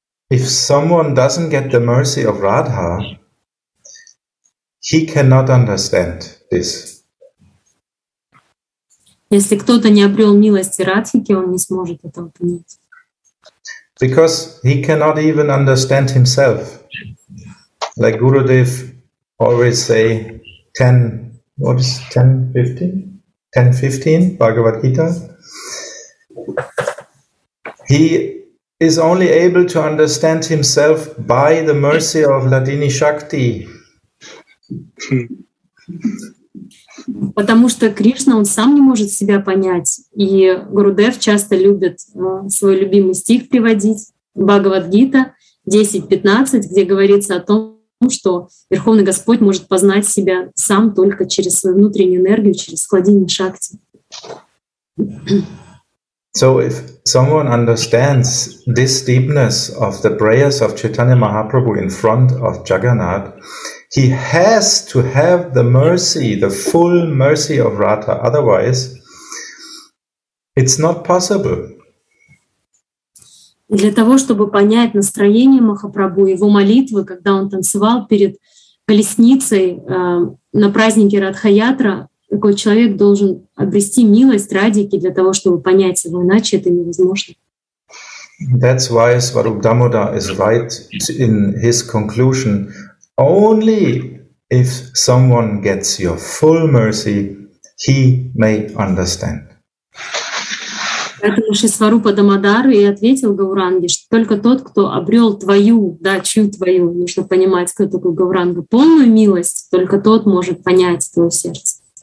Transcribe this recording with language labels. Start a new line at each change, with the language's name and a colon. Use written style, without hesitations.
English: If someone doesn't get the mercy of Radha, he cannot understand this.
Russian: Если кто-то не обрел милости Радхики, он не сможет этого понять.
English: Because he cannot even understand himself. Like Gurudev always say, 10:15 Bhagavad Gita. He is only able to understand himself by the mercy of Ladini Shakti.
Russian: Потому что Кришна, он сам не может себя понять. И Гурудев часто любит свой любимый стих приводить, Бхагавад Гита 10:15, где говорится о том, что Верховный Господь может познать себя сам только через свою внутреннюю энергию, через складини шакти.
English: So if someone understands this deepness of the prayers of Chaitanya Mahaprabhu in front of Jagannath, he has to have the mercy, the full mercy of Radha. Otherwise, it's not possible.
Russian: Для того, чтобы понять настроение Махапрабху, его молитвы, когда он танцевал перед колесницей на празднике Радхаятра, такой человек должен обрести милость Радхики для того, чтобы понять его, иначе это невозможно.
English: That's why Swarup Damodar is right in his conclusion. Only if someone gets your full mercy, he may understand.
Russian: Поэтому Шисварупа Дамодара и ответил Гауранге, что только тот, кто обрел твою, да, чью твою, нужно понимать, кто такой Гауранга, полную милость, только тот может понять твое сердце.